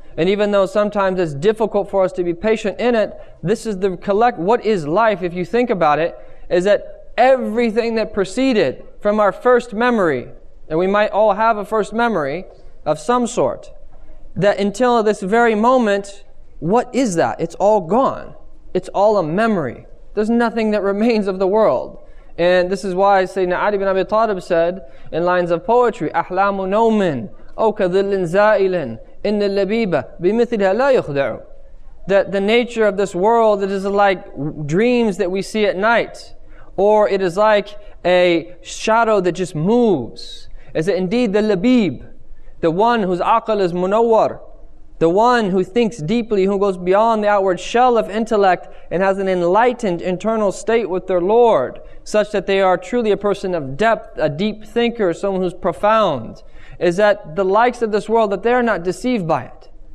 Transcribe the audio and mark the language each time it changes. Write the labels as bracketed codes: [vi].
[en] And even though sometimes it's difficult for us to be patient in it, this is the collect, what is life if you think about it, is that everything that preceded from our first memory, and we might all have a first memory of some sort, that until this very moment, what is that? It's all gone. It's all a memory. There's nothing that remains of the world. And this is why Sayyidina Ali ibn Abi Talib said in lines of poetry, [ar] أَحْلَامُ نَوْمٍ أَوْ كَذِلٍ زَائِلٍ إن اللبيبة بمثلها لا يخدع. [en] That the nature of this world, it is like dreams that we see at night, or it is like a shadow that just moves. Is it indeed the labib, the one whose aql is munawwar, the one who thinks deeply, who goes beyond the outward shell of intellect and has an enlightened internal state with their Lord, such that they are truly a person of depth, a deep thinker, someone who's profound, is that the likes of this world, that they are not deceived by it.